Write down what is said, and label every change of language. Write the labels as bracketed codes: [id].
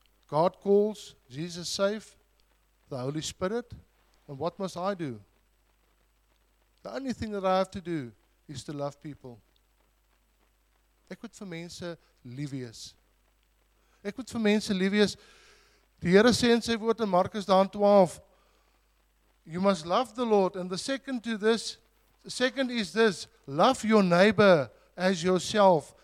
[en] God calls, Jesus save, the Holy Spirit, and what must I do? The only thing that I have to do is to love people. [af] Ek moet vir mense lief wees. Ek moet vir mense lief wees. Die Here sê in sy woord in Markus 12, [en] you must love the Lord, and the second to this, the second is this, love your neighbor as yourself.